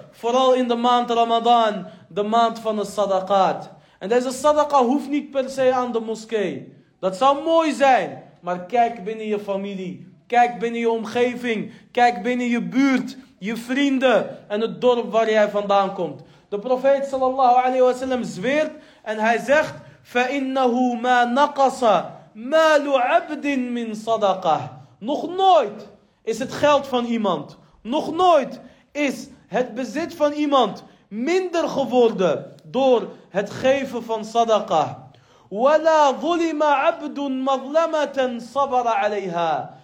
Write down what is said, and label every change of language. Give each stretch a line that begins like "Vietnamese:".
Dutch: Vooral in de maand Ramadan. De maand van de sadaqat. En deze sadaqa hoeft niet per se aan de moskee. Dat zou mooi zijn. Maar kijk binnen je familie. Kijk binnen je omgeving. Kijk binnen je buurt. Je vrienden. En het dorp waar jij vandaan komt. De profeet sallallahu alayhi wa sallam zweert. En hij zegt:
Arabic: فَإِنَّهُ مَا نَقَصَ مَالُ عَبْدٍ مِنْ صَدَقَهُ.
Dutch: Nog nooit is het geld van iemand, nog nooit is het bezit van iemand minder geworden door het geven van sadaqa.
Arabic: وَلَا ظُلِمَ عَبْدٌ مَظْلَمَةً صَبَرَ عَلَيْهَا.